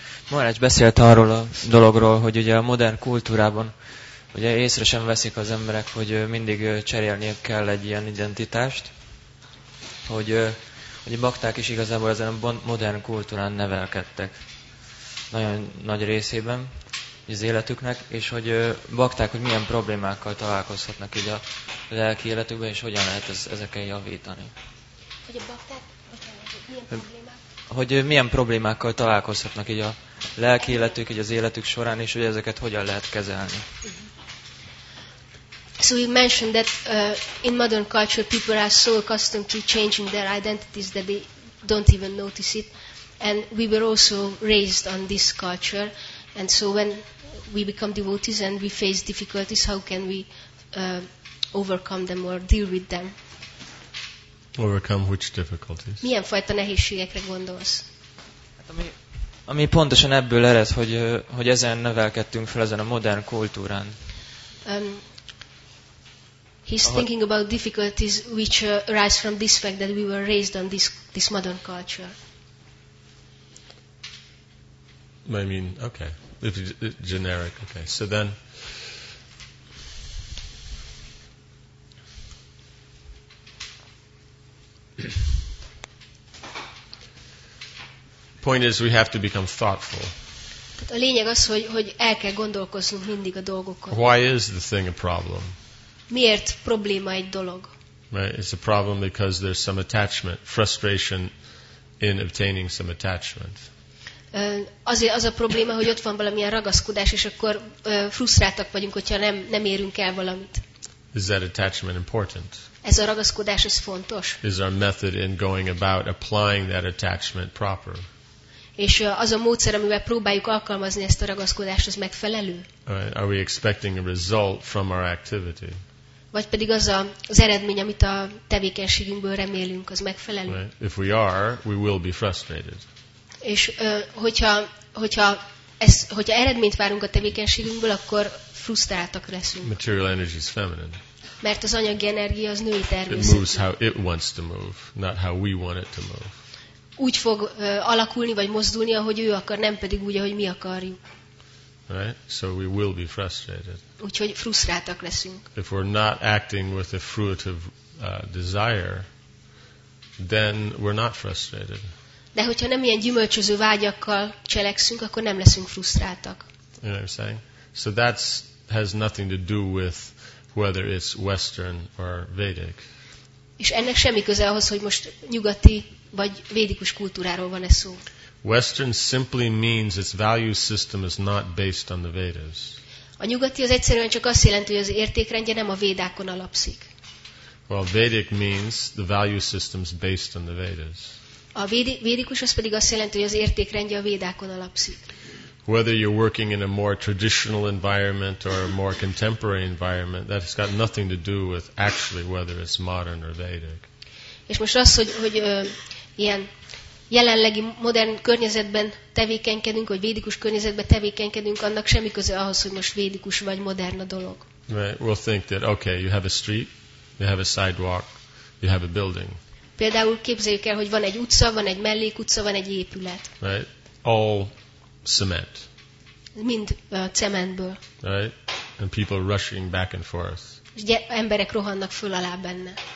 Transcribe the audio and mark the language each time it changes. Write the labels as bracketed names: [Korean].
[Hungarian] Maharaj beszélt arról a dologról, hogy ugye a modern kultúrában ugye észre sem veszik az emberek, hogy mindig cserélniük kell egy ilyen identitást, hogy a bakták is igazából ezen a modern kultúrán nevelkedtek nagyon nagy részében az életüknek, és hogy bakták, hogy milyen problémákkal találkozhatnak így a lelki életükben, és hogyan lehet ezeken javítani. Hogy a bakták, hogy milyen problémák? Hogy milyen problémákkal találkozhatnak így a lelki életük, így az életük során, és hogy ezeket hogyan lehet kezelni. [English] So you mentioned that in modern culture people are so accustomed to changing their identities that they don't even notice it. And we were also raised on this culture. And so when we become devotees and we face difficulties, how can we overcome them or deal with them? Overcome which difficulties? [Hungarian] Milyen fajta nehézségekre gondolsz? Hát ami pontosan ebből ered, hogy ezen nevelkedtünk fel, ezen a modern kultúrán. [English] He's thinking about difficulties which arise from this fact that we were raised on this modern culture. I mean, okay, if it's generic, okay. So then, point is, we have to become thoughtful. [Hungarian] A lényeg az, hogy el kell gondolkoznunk mindig a dolgokon. [English] Why is the thing a problem? [Hungarian] Miért probléma egy dolog? [English] Right, it's a problem because there's some attachment, frustration in obtaining some attachment. [Hungarian] Az a probléma, hogy ott van valamilyen ragaszkodás, és akkor frusztráltak vagyunk, hogyha nem érünk el valamit. [English] Is that attachment important? [Hungarian] Ez a ragaszkodás, ez fontos. [English] Is our method in going about applying that attachment proper? [Hungarian] És az a módszer, amivel próbáljuk alkalmazni ezt a ragaszkodást, az megfelelő? [English] Are we expecting a result from our activity? [Hungarian] Vagy pedig az az eredmény, amit a tevékenységünkből remélünk, az megfelelő? [English] Right. If we are, we will be frustrated. [Hungarian] És hogyha eredményt várunk a tevékenységünkből, akkor frusztráltak leszünk. [English] Material energy is feminine. [Hungarian] Mert az anyagi energia az női természet. [English] It moves how it wants to move, not how we want it to move. [Hungarian] Úgy fog alakulni vagy mozdulni, ahogy ő akar, nem pedig úgy, ahogy mi akarjuk. [English] Right? So we will be frustrated. [Hungarian] Úgyhogy frusztráltak leszünk. [English] If we're not acting with a fruitive desire, then we're not frustrated. [Hungarian] De hogyha nem ilyen gyümölcsöző vágyakkal cselekszünk, akkor nem leszünk frusztráltak. [English] You know what I'm saying? So that has nothing to do with whether it's Western or Vedic. [Hungarian] És ennek semmi köze ahhoz, hogy most nyugati vagy védikus kultúráról van-e szó. [English] Western simply means its value system is not based on the Vedas. [Hungarian] A nyugati az egyszerűen csak azt jelenti, hogy az értékrendje nem a védákon alapszik. [English] Well, Vedic means the value system is based on the Vedas. [Hungarian] A védikus az pedig azt jelenti, hogy az értékrendje a védákon alapszik. [English] Whether you're working in a more traditional environment or a more contemporary environment, that has got nothing to do with actually whether it's modern or Vedic. [Hungarian] És most az, hogy ilyen jelenlegi modern környezetben tevékenykedünk, vagy védikus környezetben tevékenykedünk, annak semmi köze ahhoz, hogy most védikus vagy modern a dolog. [English] Right. We'll think that, okay, you have a street, you have a sidewalk, you have a building. [Hungarian] Például képzeljük el, hogy van egy utca, van egy mellékutca, van egy épület. [English] Right. All cement. [Hungarian] Mind cementből. [English] Right. And people rushing back and forth. [Hungarian] És emberek rohannak föl alá benne.